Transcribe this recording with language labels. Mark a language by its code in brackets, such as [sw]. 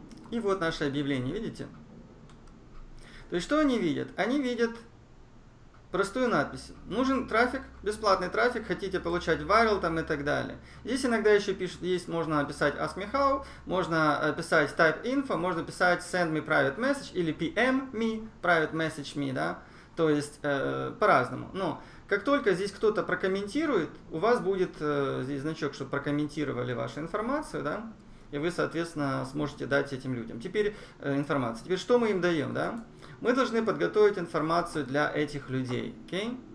[ru] И вот наше объявление, видите? То есть что они видят? Они видят... Простую надпись. Нужен трафик, бесплатный трафик, хотите получать viral там и так далее. Здесь иногда еще пишут, есть можно написать [en] ask me how, [ru] можно писать [en] type info, [ru] можно писать [en] send me private message [ru] или [en] PM me, private message me, [ru] да. То есть по-разному. Но как только здесь кто-то прокомментирует, у вас будет здесь значок, чтобы прокомментировали вашу информацию, да. И вы, соответственно, сможете дать этим людям. Теперь информация. Теперь что мы им даем, да? Мы должны подготовить информацию для этих людей. Окей?